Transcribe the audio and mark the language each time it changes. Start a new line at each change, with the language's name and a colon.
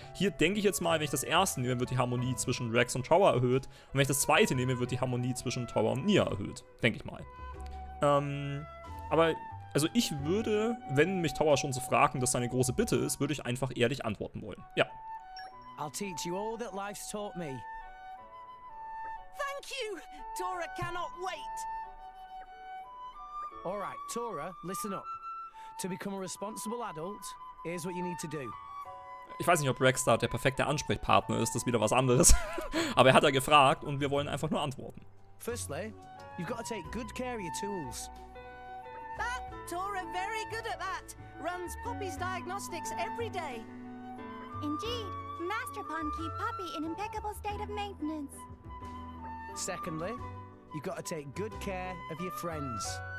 German: Hier denke ich jetzt mal, wenn ich das erste nehme, wird die Harmonie zwischen Rex und Tower erhöht. Und wenn ich das zweite nehme, wird die Harmonie zwischen Tower und Nia erhöht. Denke ich mal. Also ich würde, wenn mich Tower schon so fragen, dass seine große Bitte ist, würde ich einfach ehrlich antworten wollen. Ja.
English: I'll teach you all that life's taught me. Thank you! Tora cannot wait! Alright, Tora, listen up. To become a responsible adult, here's what you need to do.
German: Ich weiß nicht, ob Rex da der perfekte Ansprechpartner ist, das ist wieder was anderes. Aber er hat ja gefragt und wir wollen einfach nur antworten.
English: Firstly, you've got to take good care of your tools. Ah, Tora very good at that. Runs Poppy's diagnostics every day. Indeed, Master Pond keep Poppy in impeccable state of maintenance. Secondly, you've got to take good care of your friends.